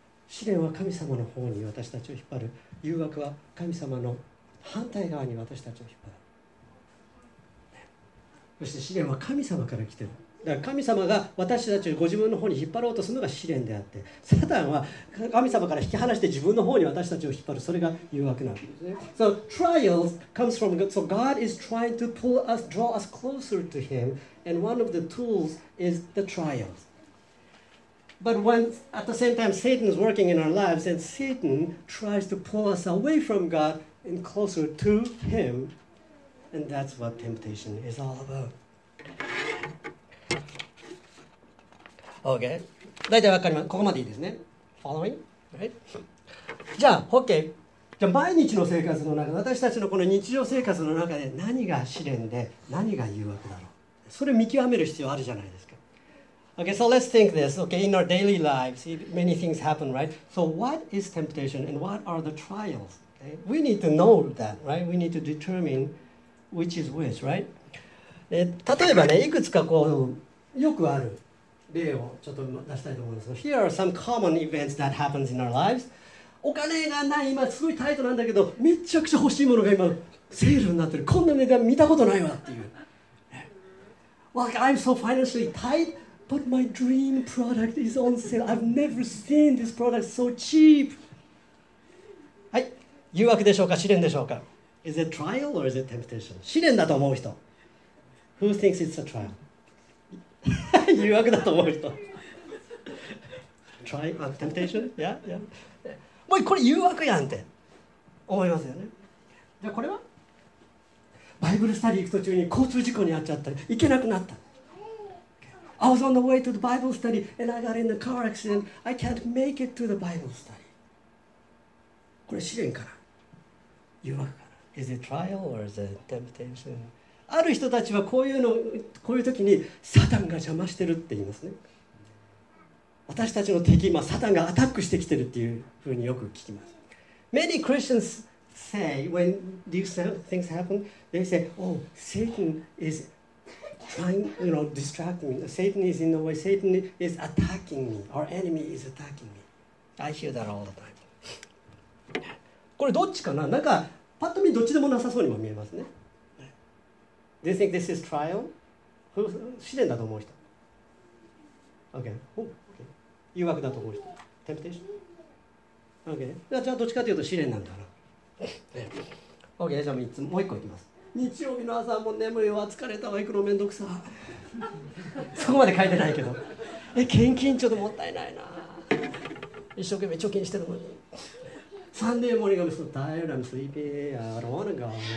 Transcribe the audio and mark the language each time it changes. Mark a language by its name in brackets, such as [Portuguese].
[Japanese] 試練は神様の方に私たちを引っ張る。誘惑は神様の反対側に私たちを引っ張る。そして試練は神様から来てる。だから神様が私たちをご自分の方に引っ張ろうとするのが試練であって、サタンは神様から引き離して自分の方に私たちを引っ張る。それが誘惑なんですね。 [English] So trials comes from God. So God is trying to pull us, draw us closer to Him, and one of the tools is the trials. But when at the same time Satan is working in our lives, and Satan tries to pull us away from God and closer to Him. And that's what temptation is all about. [Japanese] Okay. 大体わかります。ここまでいいですね。 [English] Following? Right? [Japanese] じゃあ、OK。じゃあ、毎日の生活の中、私たちのこの日常生活の中で何が試練で、何が誘惑だろう。それを見極める必要あるじゃないですか。 [English] Okay, so let's think this. Okay, in our daily lives, many things happen, right? So what is temptation and what are the trials? Okay? We need to know that, right? We need to determine... Which is which, right? [Japanese] 例えばね、いくつかこうよくある例をちょっと出したいと思います。 [English] Here are some common events that happens in our lives. [Japanese] お金がない、今すごいタイトなんだけど、めちゃくちゃ欲しいものが今セールになってる。こんな値段見たことないわっていう。 [English] Like, I'm so financially tight, but my dream product is on sale. I've never seen this product so cheap. [Japanese] はい、誘惑でしょうか、試練でしょうか。 [English] Is it trial or is it temptation? [Japanese] 試練だと思う人。 [English] Who thinks it's a trial? [Japanese] 誘惑だと思う人。 [English] Trial? Temptation? Yeah, yeah. [Japanese] もうこれ誘惑やんって思いますよね。じゃあこれは？バイブルスタディ行く途中に交通事故に遭っちゃったり、行けなくなった。 [English] I was on the way to the Bible study and I got in a car accident. I can't make it to the Bible study. [Japanese] これ試練かな？誘惑かな？ [English] Is it trial or is it temptation? [Japanese] ある人たちはこういうの、こういう時にサタンが邪魔してるって言いますね。私たちの敵、まあ、サタンがアタックしてきてるっていうふうによく聞きます。 [English] Many Christians say when these things happen, they say, "Oh, Satan is trying, you know, distracting me. Satan is in the way. Satan is attacking me. Our enemy is attacking me." I hear that all the time. [Japanese] これどっちかな？なんか。パッと見どっちでもなさそうにも見えますね。 [English] Do you think this is trial? [Japanese] 試練だと思う人。Okay. 誘惑だと思う人。 [English] Temptation? Okay. [Japanese] じゃあどっちかというと試練なんだな。 [English] Okay. [Japanese] じゃあ3つ、もう1個いきます。日曜日の朝も眠いわ、疲れたわ、行くのめんどくさ。そこまで書いてないけど。献金ちょっともったいないな。一生懸命貯金してるのに。 [English] Sunday morning, I'm so tired, I'm sleepy, I don't want to go.